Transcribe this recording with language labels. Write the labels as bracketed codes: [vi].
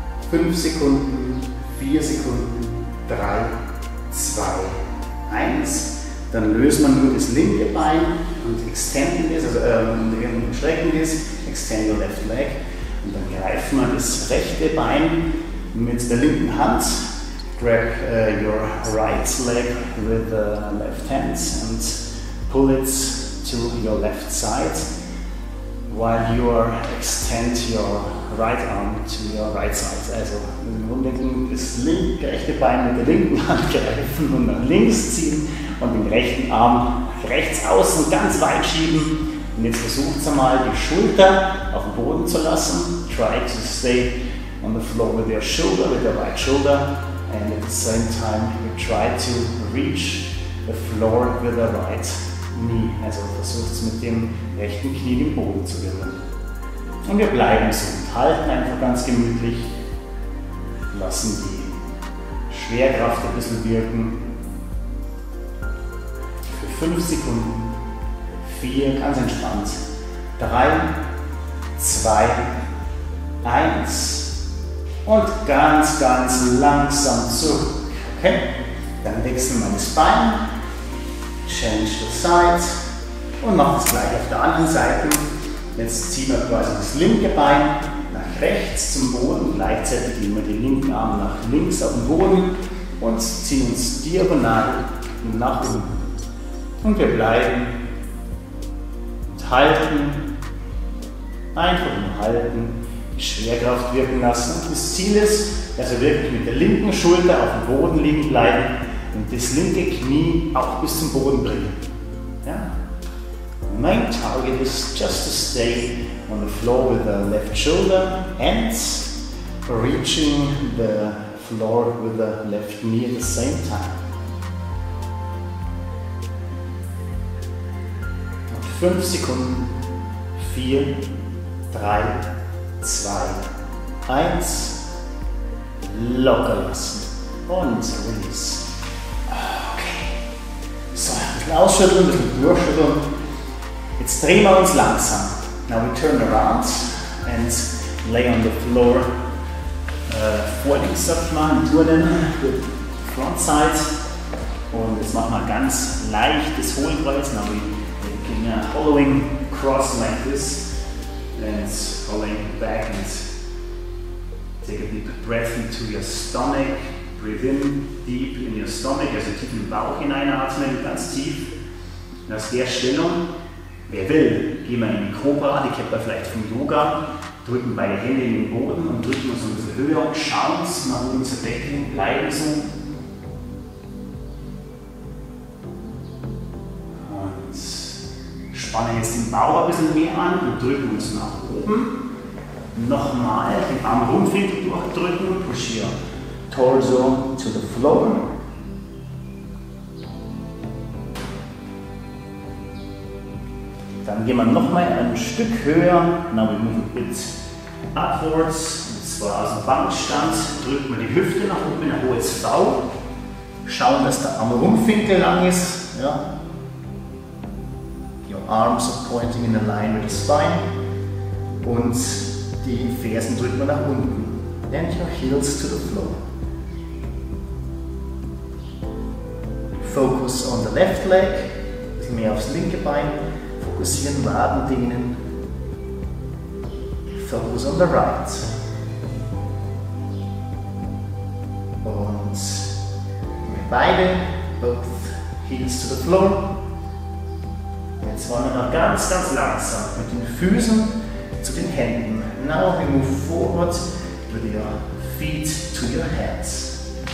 [de] 5 Sekunden, 4 Sekunden, 3, 2, 1. Dann lösen wir nur das linke Bein und extenden das, strecken das, [en] extend your left leg. [de] Und dann greifen wir das rechte Bein mit der linken Hand. [en] Grab your right leg with the left hand and pull it to your left side while you are extend your right arm to your right side. [de] Also im Grunde das linke rechte Bein mit der linken Hand greifen und nach links ziehen und den rechten Arm rechts außen ganz weit schieben. Und jetzt versucht ihr mal die Schulter auf den Boden zu lassen. [en] Try to stay on the floor with your shoulder, with your right shoulder. And at the same time, you try to reach the floor with the right knee. [de] Also versucht es mit dem rechten Knie den Boden zu berühren. Und wir bleiben so und halten einfach ganz gemütlich. Lassen die Schwerkraft ein bisschen wirken. Für 5 Sekunden. 4, ganz entspannt. 3, 2, 1. Und ganz, ganz langsam zurück. Okay? Dann wechseln wir das Bein. Change the side. Und machen es gleich auf der anderen Seite. Jetzt ziehen wir quasi das linke Bein nach rechts zum Boden. Gleichzeitig gehen wir den linken Arm nach links auf den Boden. Und ziehen uns diagonal nach oben. Und wir bleiben. Und halten. Einfach nur halten. Schwerkraft wirken lassen. Das Ziel ist, dass ihr wirklich mit der linken Schulter auf dem Boden liegen bleibt und das linke Knie auch bis zum Boden bringen. Ja? Mein Target ist [en] just to stay on the floor with the left shoulder and reaching the floor with the left knee at the same time. [de] Und 5 Sekunden, 4, 3, 2, 1, locker lassen und release. Okay. So, ein bisschen ausschütteln, ein bisschen durchschütteln. Jetzt drehen wir uns langsam. [en] Now we turn around and lay on the floor. [de] Vorliegen, sag ich mal, in Turnen, [en] front side. [de] Und jetzt machen wir ganz leichtes Hohlkreuz. [en] Now we make a hollowing cross like this. And hollowing back and take a deep breath into your stomach. Breathe in deep in your stomach. [de] Also tief in den Bauch hineinatmen, ganz tief. Und aus der Stellung, wer will, gehen wir in die Cobra, die kennt man vielleicht vom Yoga. Drücken beide Hände in den Boden und drücken uns in unsere Höhe und schauen uns nach unserem Becken hin, bleiben so. Und spannen jetzt den Bauch ein bisschen mehr an und drücken uns nach oben. Nochmal den Arm rumfinden, durchdrücken und [en] push your torso to the floor. [de] Dann gehen wir nochmal ein Stück höher. [en] Now we move a bit upwards. [de] Und zwar aus dem Bankstand drückt man die Hüfte nach oben in ein hohes V. Schauen, dass der Arm Rumpfwinkel lang ist. Ja. [en] Your arms are pointing in a line with the spine. [de] Und die Fersen drückt man nach unten. [en] And your heels to the floor. Focus on the left leg. [de] Ein bisschen mehr aufs linke Bein. Fokussieren, Waden dehnen. [en] Focus on the right. [de] Und beide, [en] both heels to the floor. [de] Jetzt wollen wir noch ganz, ganz langsam mit den Füßen zu den Händen. [en] Now we move forward with your feet to your hands.